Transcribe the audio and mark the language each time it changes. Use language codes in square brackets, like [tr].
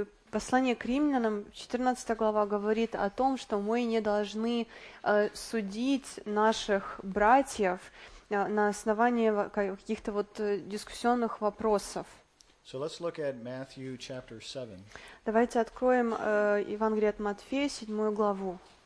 [ru] Послание к Римлянам, 14 глава, говорит о том, что мы не должны судить наших братьев на основании каких-то вот дискуссионных вопросов. [en] So let's look at Matthew chapter 7. [ru] Давайте откроем Евангелие от Матфея, 7 главу.